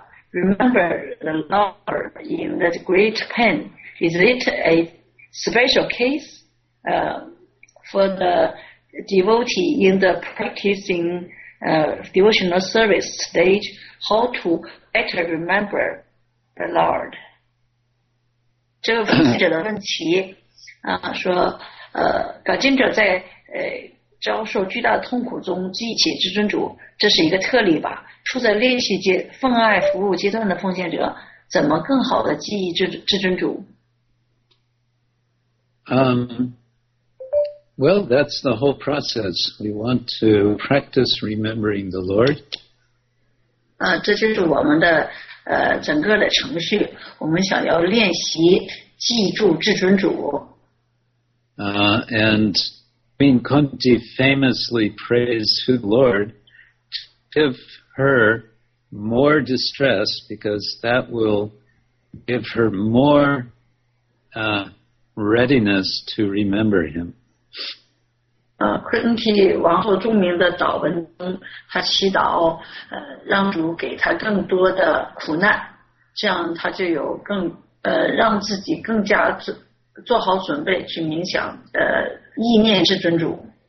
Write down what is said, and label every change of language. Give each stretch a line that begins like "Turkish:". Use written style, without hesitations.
English: Remember the Lord in that great pain. Is it a special case? For the devotee in the practicing devotional service stage, how to better remember the Lord?
Chinese: 这个问者的问题说感进者在遭受巨大痛苦中记起至尊主，这是一个特例吧？处在练习阶奉爱服务阶段的奉献者，怎么更好的记忆至尊主？
English: Well, that's the whole process. We want to practice remembering the Lord.
Chinese: 这就是我们的整个的程序。我们想要练习记住至尊主。
English: And Queen Kunti famously prays to the Lord to give her more distress, because that will give her more readiness to remember him.
Chinese: Kunti 王后著名的祷文中，她祈祷让主给她更多的苦难，这样她就有更让自己更加做好准备去冥想意念至尊主。